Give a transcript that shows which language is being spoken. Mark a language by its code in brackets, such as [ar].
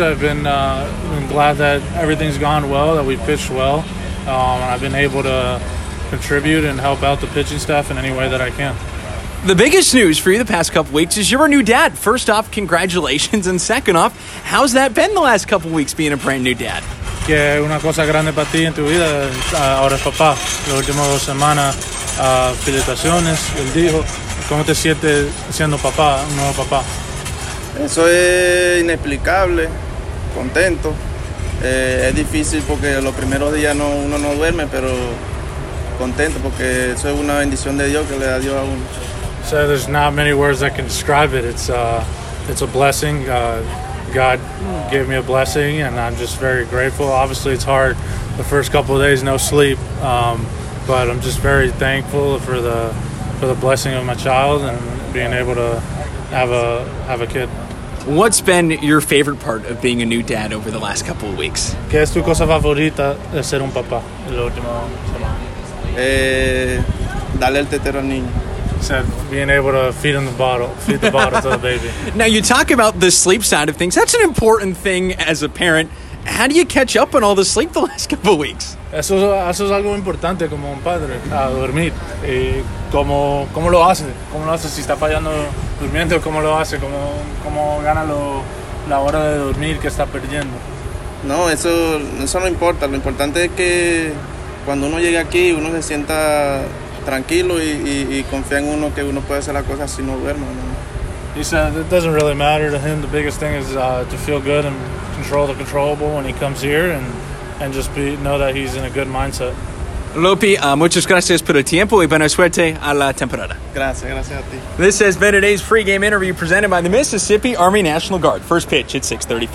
[en] I've been glad that everything's gone well, that we pitched well. I've been able to contribute and help out the pitching staff in any way that I can. The biggest news for you the past couple weeks is you're a new dad. First off, congratulations, and second off, how's that been the last couple weeks being a brand new dad? [es] Que una cosa grande para ti en tu vida ahora es papá. La última semana, felicitaciones. Él dijo, ¿cómo te sientes siendo papá, nuevo papá? Eso es inexplicable. Contento. Es difícil porque los primeros días uno no duerme, pero contento porque eso es una bendición de Dios que le da Dios a uno. [en] So there's not many words that can describe it. It's a blessing. God gave me a blessing and I'm just very grateful. Obviously it's hard the first couple of days, no sleep, but I'm just very thankful for the blessing of my child and being able to have a kid. What's been your favorite part of being a new dad over the last couple of weeks? [es] ¿Qué es tu cosa favorita de ser un papá? El último dale el tetero al niño. [en] Said being able to feed the bottle to the baby. Now you talk about the sleep side of things. That's an important thing as a parent. How do you catch up on all the sleep the last couple of weeks? [es] Eso es algo importante como un padre, a dormir. Y cómo lo hace? ¿Cómo lo hace si está fallando durmiendo? ¿Cómo lo hace? ¿Cómo gana la hora de dormir que está perdiendo? No, eso no importa. Lo importante es que cuando uno llega aquí, uno se sienta tranquilo y confía en uno que uno puede hacer las cosas si no duerme. [en] He said it doesn't really matter to him. The biggest thing is to feel good and control the controllable when he comes here and just know that he's in a good mindset. [es] Lopi, muchas gracias por el tiempo y buena suerte a la temporada. Gracias, gracias a ti. [en] This has been today's pregame interview presented by the Mississippi Army National Guard. First pitch at 6:35.